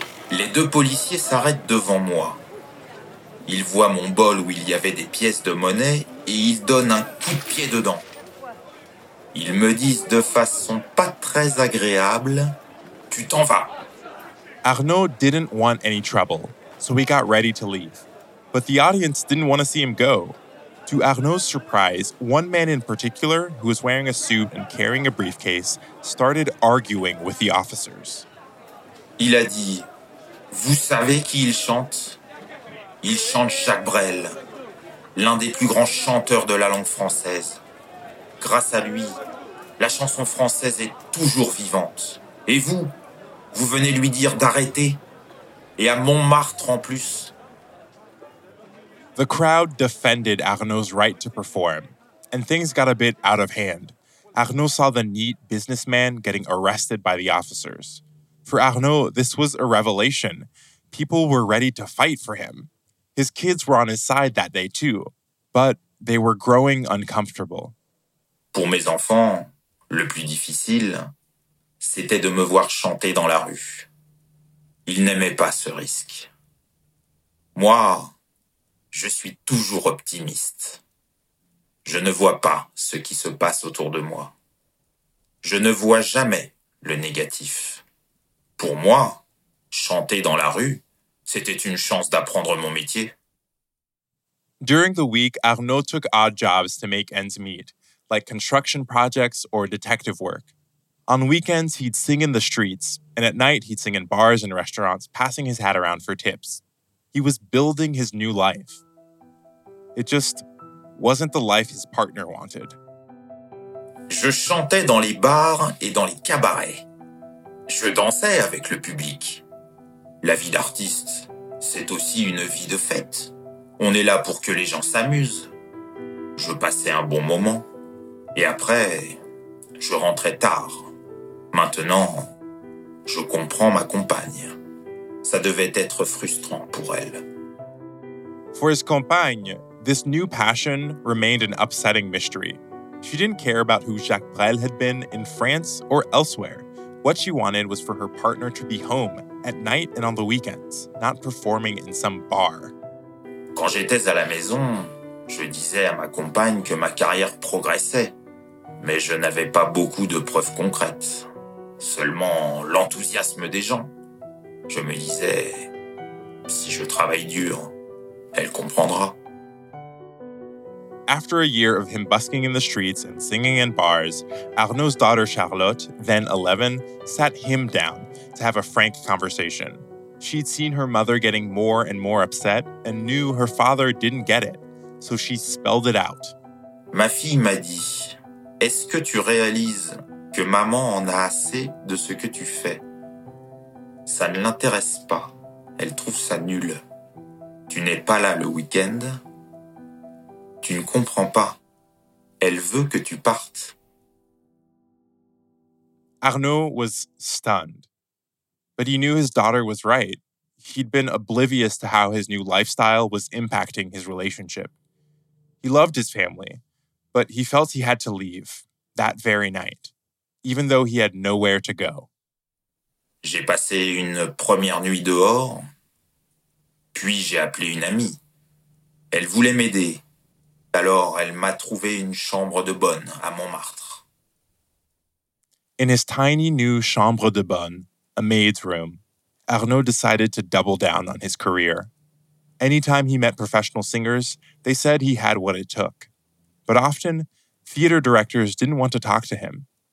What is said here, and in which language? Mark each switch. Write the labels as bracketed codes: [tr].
[fr] Les deux policiers s'arrêtent devant moi. Ils voient mon bol où il y avait des pièces de monnaie et ils donnent un coup de pied dedans. Ils me disent de façon pas très agréable, tu t'en vas. [en] Arnaud didn't want any trouble. So he got ready to leave. But the audience didn't want to see him go. To Arnaud's surprise, one man in particular, who was wearing a suit and carrying a briefcase, started arguing with the officers. [fr] Il a dit, vous savez qui il chante? Il chante Jacques Brel, l'un des plus grands chanteurs de la langue française. Grâce à lui, la chanson française est toujours vivante. Et vous, vous venez lui dire d'arrêter? Et à Montmartre en plus. [en] The crowd defended Arnaud's right to perform, and things got a bit out of hand. Arnaud saw the neat businessman getting arrested by the officers. For Arnaud, this was a revelation. People were ready to fight for him. His kids were on his side that day too, but they were growing uncomfortable. [fr] Pour mes enfants, le plus difficile, c'était de me voir chanter dans la rue. Il n'aimait pas ce risque. Moi, je suis toujours optimiste. Je ne vois pas ce qui se passe autour de moi. Je ne vois jamais le négatif. Pour moi, chanter dans la rue, c'était une chance d'apprendre mon métier. [en] During the week, Arnaud took odd jobs to make ends meet, like construction projects or detective work. On weekends, he'd sing in the streets, and at night, he'd sing in bars and restaurants, passing his hat around for tips. He was building his new life. It just wasn't the life his partner wanted. [fr] Je chantais dans les bars et dans les cabarets. Je dansais avec le public. La vie d'artiste, c'est aussi une vie de fête. On est là pour que les gens s'amusent. Je passais un bon moment. Et après, je rentrais tard. Maintenant, je comprends ma compagne. Ça devait être frustrant pour elle. [en] For his compagne, this new passion remained an upsetting mystery. She didn't care about who Jacques Brel had been in France or elsewhere. What she wanted was for her partner to be home at night and on the weekends, not performing in some bar. [fr] Quand j'étais à la maison, je disais à ma compagne que ma carrière progressait, mais je n'avais pas beaucoup de preuves concrètes. Seulement l'enthousiasme des gens. Je me disais, si je travaille dur, elle comprendra. [en] After a year of him busking in the streets and singing in bars, Arnaud's daughter Charlotte, then 11, sat him down to have a frank conversation. She'd seen her mother getting more and more upset and knew her father didn't get it, so she spelled it out. [fr] Ma fille m'a dit, est-ce que tu réalises que maman en a assez de ce que tu fais? Ça ne l'intéresse pas. Elle trouve ça nul. Tu n'es pas là le week-end. Tu ne comprends pas. Elle veut que tu partes. [en] Arnaud was stunned. But he knew his daughter was right. He'd been oblivious to how his new lifestyle was impacting his relationship. He loved his family, but he felt he had to leave that very night, even though he had nowhere to go. [fr] J'ai passé une première nuit dehors, puis j'ai appelé une amie. Elle voulait m'aider. Alors, elle m'a trouvé une chambre de bonne à Montmartre. [en] In his tiny new chambre de bonne, a maid's room, Arnaud decided to double down on his career. Anytime he met professional singers, they said he had what it took. But often, theater directors didn't want to talk to him.